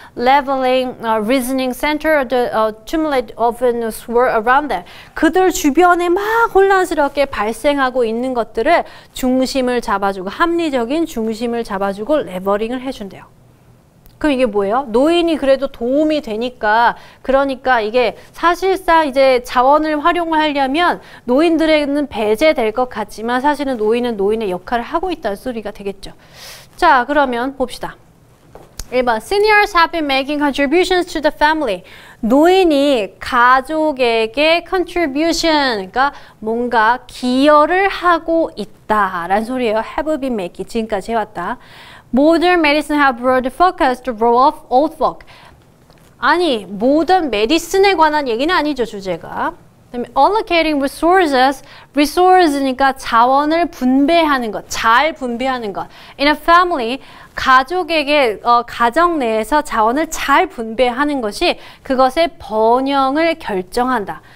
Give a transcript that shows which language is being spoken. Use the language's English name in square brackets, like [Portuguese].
[English] leveling reasoning center the tumult of the world around them. [Korean] 그들 주변에 막 혼란스럽게 발생하고 있는 것들을 중심을 잡아주고 합리적인 중심을 잡아주고 레버링을 해 준대요. 그럼 이게 뭐예요? 노인이 그래도 도움이 되니까 그러니까 이게 사실상 이제 자원을 활용을 하려면 노인들에게는 배제될 것 같지만 사실은 노인은 노인의 역할을 하고 있다는 소리가 되겠죠. 자, 그러면 봅시다. [English] 1번 Seniors have been making contributions to the family. [Korean] 노인이 가족에게 contribution, 그러니까 뭔가 기여를 하고 있다라는 소리예요. [English] Have been making, [Korean] 지금까지 해왔다. [English] Modern medicine has brought the focus to the role of old folk. [Korean] 아니, 모든 메디슨에 관한 얘기는 아니죠, 주제가. [English] Allocating resources, [Korean] resource니까 자원을 분배하는 것, 잘 분배하는 것. [English] In a family, [Korean] 가족에게, 가정 내에서 자원을 잘 분배하는 것이 그것의 번영을 결정한다.